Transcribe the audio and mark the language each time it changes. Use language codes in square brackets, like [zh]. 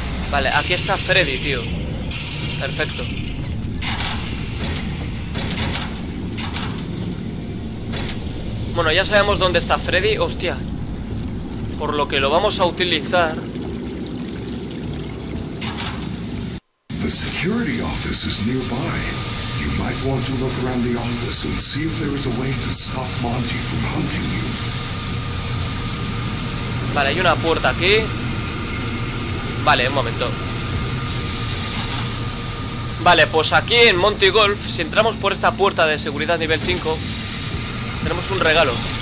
[es] Vale, aquí está Freddy, tío. Perfecto. Bueno, ya sabemos dónde está Freddy. Hostia. Por lo que lo vamos a utilizar. [en] The security office is nearby. You might want to look around the office and see if there is a way to stop Monty from hunting you. [es] Vale, hay una puerta aquí. Vale, un momento. Vale, pues aquí en Monty Golf, si entramos por esta puerta de seguridad nivel 5, tenemos un regalo.